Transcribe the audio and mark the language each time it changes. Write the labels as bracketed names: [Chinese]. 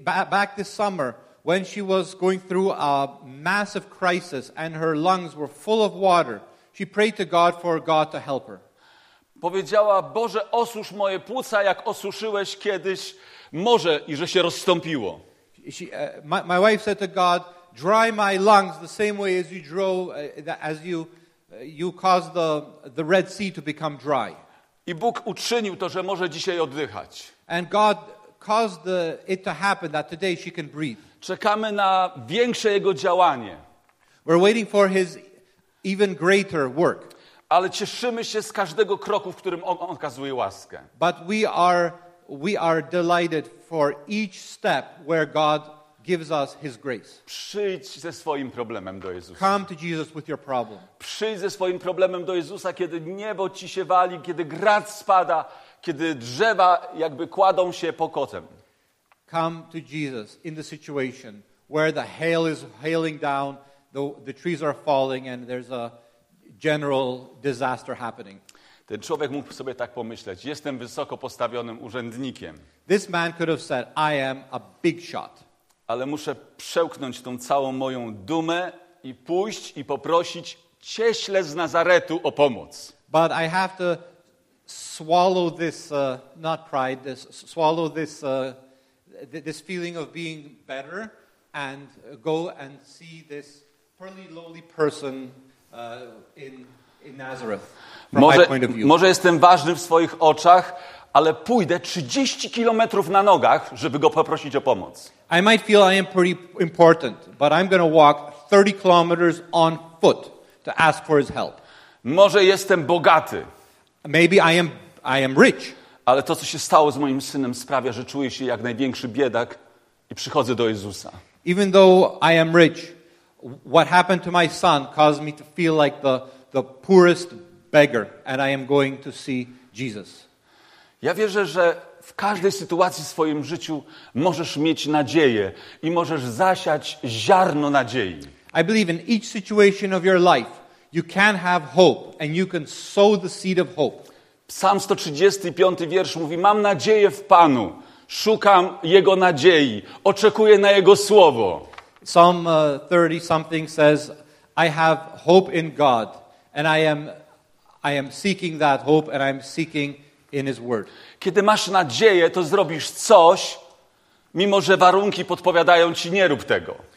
[English] Back this summer, when she was going through a massive crisis and her lungs were full of water, she prayed to God for God to help her. [Polish] powiedziała: Boże, osusz moje płuca, jak osuszyłeś kiedyś morze i że się rozstąpiło. [English] My wife said to God, dry my lungs the same way as you drew as you caused the Red Sea to become dry. [Polish] I Bóg uczynił to, że może dzisiaj oddychać. [English] And God caused it to happen that today she can breathe. [Polish] Czekamy na większe jego działanie. [English] We're waiting for his even greater work. [Polish] Ale cieszymy się z każdego kroku, w którym on okazuje łaskę. [English] But we are delighted for each step where God gives us his grace. [Polish] Przyjdź ze swoim problemem do Jezusa. [English] Come to Jesus with your problem. [Polish] Przyjdź ze swoim problemem do Jezusa, kiedy niebo ci się wali, kiedy grad spada, kiedy drzewa jakby kładą się po kotem. [English] Come to Jesus in the situation where the hail is hailing down, the trees are falling and there's a general disaster happening. [Polish] Ten człowiek mógł sobie tak pomyśleć: jestem wysoko postawionym urzędnikiem. [English] This man could have said, I am a big shot. [Polish] Ale muszę przełknąć tą całą moją dumę i pójść i poprosić cieśle z Nazaretu o pomoc. [English] But I have to swallow this not pride, this swallow this this feeling of being better and go and see this poorly lowly person in Nazareth. [Polish] Może jestem ważny w swoich oczach, ale pójdę 30 kilometrów na nogach, żeby go poprosić o pomoc. [English] I might feel I am pretty important, but I'm going to walk 30 kilometers on foot to ask for his help. [Polish] Może jestem bogaty. [English] Maybe I am rich. [Polish] Ale to, co się stało z moim synem, sprawia, że czuję się jak największy biedak i przychodzę do Jezusa. [English] Even though I am rich, what happened to my son caused me to feel like the poorest beggar, and I am going to see Jesus. [Polish] Ja wierzę, że w każdej sytuacji w swoim życiu możesz mieć nadzieję i możesz zasiać ziarno nadziei. [English] I believe in each situation of your life you can have hope and you can sow the seed of hope. [Polish] Psalm 135 wiersz mówi: mam nadzieję w Panu, szukam Jego nadziei, oczekuję na Jego słowo. [English] Psalm 30 something says, I have hope in God and I am seeking that hope and I'm seeking in his word. [Polish] Kiedy masz nadzieję, to zrobisz coś, mimo że warunki podpowiadają ci, nie rób tego.